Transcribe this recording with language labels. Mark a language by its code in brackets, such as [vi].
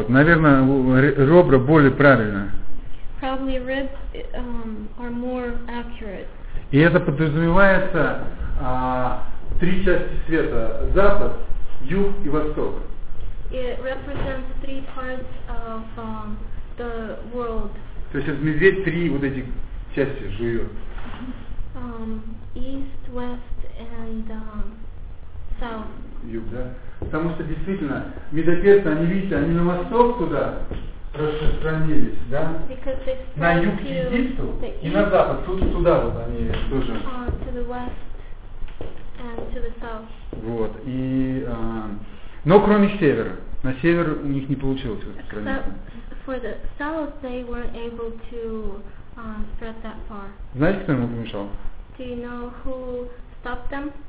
[ru] Вот, наверное, ребра более правильно. [en] Probably ribs are more accurate. [ru] И это подразумевается три части света: запад, юг и восток. [en] It represents three parts of the world. [ru] То есть этот медведь три вот эти части жует. [en] East, west and south. [ru] Юг, да? Потому что действительно медоперцы, они, видите, они на восток туда распространились, да? На юг к Египту и на запад, тут туда вот они тоже. [en] To the west and to the south. [ru] Вот, и но кроме севера. На север у них не получилось распространиться. [en] For the south, they weren't able to spread that far. [ru] Знаете, кто ему помешал? [en] Do you know who stopped them?